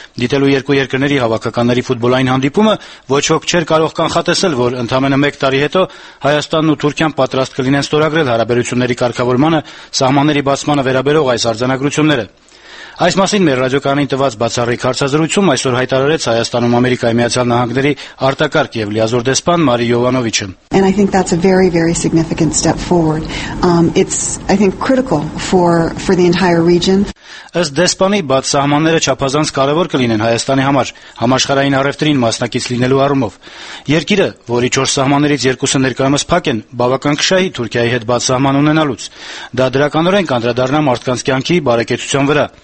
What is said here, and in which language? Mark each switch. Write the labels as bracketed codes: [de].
[hy] դիտելու երկու երկրների հավաքականների ֆուտբոլային հանդիպումը, ոչ ոք չէր կարող կանխատեսել, որ ընդամենը մեկ տարի հետո Հայաստանն ու Թուրքիան պատրաստ կլինեն ստորագրել հարաբերությունների կարգավորմանը սահմանների բացմանը վերաբերող այս արձանագրությունները։ Այս մասին մեր ռադիոկանին տված բացառիկ հարցազրույցում այսօր հայտարարեց Հայաստանում Ամերիկայի Միացյալ Նահանգների արտակարգ և լիազոր դեսպան Մարի Յովանովիչը։ [en] And I think that's a very, very significant step forward. It's, I think, critical for the entire region. [hy] Ըստ դեսպանի, բաց սահմանները չափազանց կարևոր կլինեն Հայաստանի համար, համաշխարհային առևտրին մասնակից լինելու առումով։ Երկիրը, որի 4 սահմաններից 2-ը ներկայումս փակ են, բավական կշահի Թուրքիայի հետ բաց սահման ունենալուց։ Դա դրականորեն կանդրադառնա մարդկանց կյանքի բարեկեցության վրա,